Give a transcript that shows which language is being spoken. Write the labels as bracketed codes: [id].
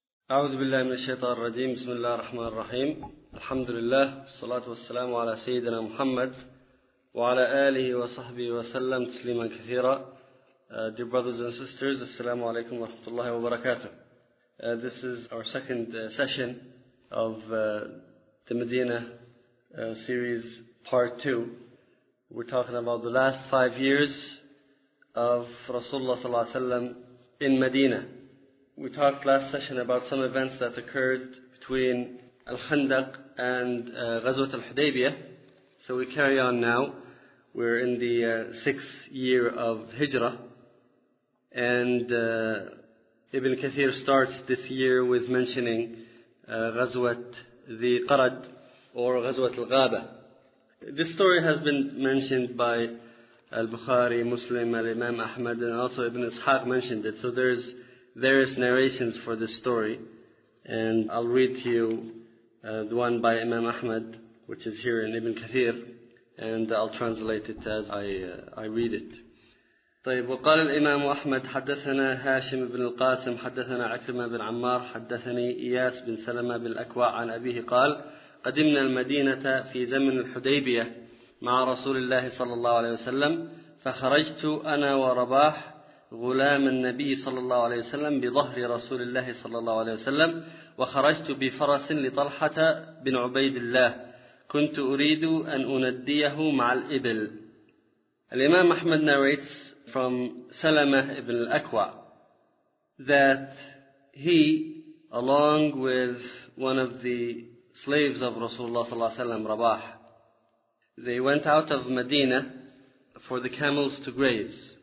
[ar] أعوذ بالله من الشيطان الرجيم. بسم الله الرحمن الرحيم. الحمد لله والصلاة والسلام على سيدنا محمد وعلى آله وصحبه وسلم تسليما كثيرا. [en] Dear brothers and sisters, [ar] السلام عليكم ورحمة الله وبركاته. [en] This is our second session of the Medina series part 2. We're talking about the last 5 years of Rasulullah صلى الله عليه وسلم in Medina. We talked last session about some events that occurred between Al-Khandaq and Ghazwat al-Hudaybiyah. So we carry on now. We're in the sixth year of Hijrah. And Ibn Kathir starts this year with mentioning Ghazwat the Qarad or Ghazwat al-Ghaba. This story has been mentioned by Al-Bukhari, Muslim, Al-Imam Ahmad, and also Ibn Ishaq mentioned it. So there's various narrations for this story, and I'll read to you the one by Imam Ahmad, which is here in Ibn Kathir, and I'll translate it as I read it. [ar] طيب وقال الإمام أحمد حدثنا هاشم بن القاسم حدثنا عكرمة بن عمار حدثني إياس بن سلمة بن الأكوع عن أبيه قال قدمنا المدينة في زمن الحديبية مع رسول الله صلى الله عليه وسلم فخرجت أنا ورباح غلام النبي صلى الله عليه وسلم بظهر رسول الله صلى الله عليه وسلم وخرجت بفرس لطلحة بن عبيد الله كنت أريد أن أنديه مع الإبل. [en] الإمام أحمد narrates from سلمة بن الأكوع that he, along with one of the slaves of رسول الله صلى الله عليه وسلم, رباح, they went out of Medina for the camels to graze.